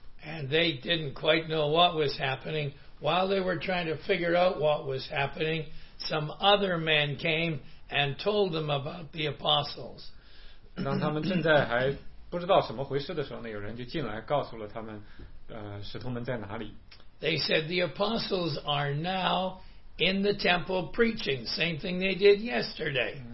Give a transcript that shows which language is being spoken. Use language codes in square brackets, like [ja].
[en] And they didn't quite know what was happening. While they were trying to figure out what was happening, some other man came and told them about the apostles. [zh] 当他们正在还不知道什么回事的时候呢，有人就进来告诉了他们，使徒们在哪里。 [en] They said the apostles are now in the temple preaching, same thing they did yesterday.